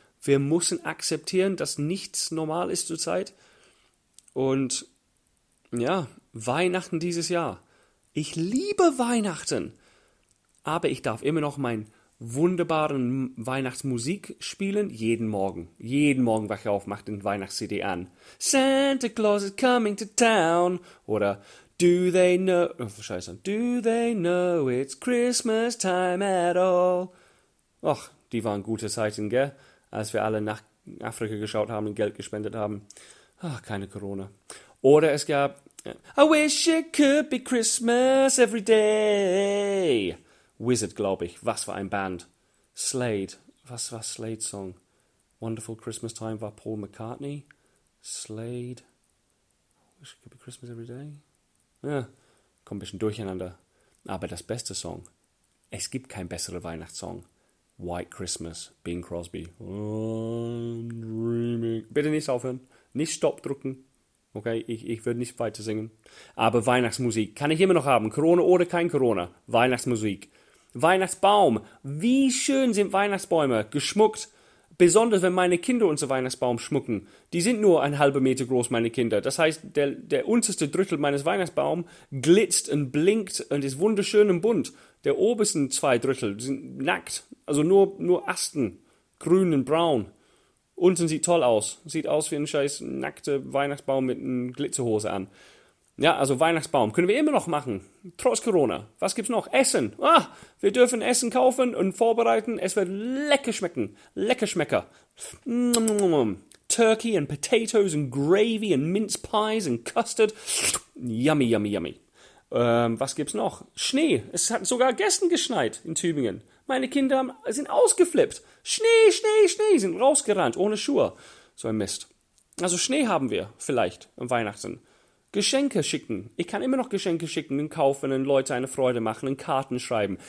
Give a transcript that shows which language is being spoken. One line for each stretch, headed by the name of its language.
German: Wir müssen akzeptieren, dass nichts normal ist zurzeit. Und ja, Weihnachten dieses Jahr. Ich liebe Weihnachten. Aber ich darf immer noch meinen wunderbaren Weihnachtsmusik spielen. Jeden Morgen. Jeden Morgen wache ich auf, mache den Weihnachts-CD an.
English: Santa Claus is coming to town.
German: Oder
English: Do they know,
German: oh, scheiße,
English: do they know it's Christmas time at all?
German: Och, die waren gute Zeiten, gell? Als wir alle nach Afrika geschaut haben und Geld gespendet haben. Ach, keine Corona. Oder es gab,
English: I wish it could be Christmas every day.
German: Wizard, glaube ich. Was für ein Band. Slade. Was war Slade Song? Wonderful Christmas Time war Paul McCartney.
English: Slade. I wish it could be Christmas every day.
German: Ja, kommt ein bisschen durcheinander. Aber das beste Song. Es gibt kein besseren Weihnachtssong. White Christmas, Bing Crosby.
English: I'm dreaming.
German: Bitte nicht aufhören. Nicht Stopp drücken. Okay, ich würde nicht weiter singen. Aber Weihnachtsmusik kann ich immer noch haben. Corona oder kein Corona. Weihnachtsmusik. Weihnachtsbaum. Wie schön sind Weihnachtsbäume geschmückt. Besonders wenn meine Kinder unseren Weihnachtsbaum schmücken. Die sind nur ein halber Meter groß, meine Kinder. Das heißt, der unterste Drittel meines Weihnachtsbaums glitzt und blinkt und ist wunderschön und bunt. Der obersten zwei Drittel sind nackt. Also nur Asten. Grün und braun. Unten sieht toll aus. Sieht aus wie ein scheiß nackter Weihnachtsbaum mit einer Glitzerhose an. Ja, also Weihnachtsbaum. Können wir immer noch machen. Trotz Corona. Was gibt's noch? Essen. Ah, wir dürfen Essen kaufen und vorbereiten. Es wird lecker schmecken. Lecker Schmecker. Mm-hmm.
English: Turkey and potatoes and gravy and mince pies and custard.
German: Yummy, yummy, yummy. Was gibt's noch? Schnee. Es hat sogar gestern geschneit in Tübingen. Meine Kinder sind ausgeflippt. Schnee, Schnee, Schnee. Sind rausgerannt ohne Schuhe. So ein Mist. Also Schnee haben wir vielleicht am Weihnachten. Geschenke schicken. Ich kann immer noch Geschenke schicken und kaufen und Leute eine Freude machen und Karten schreiben.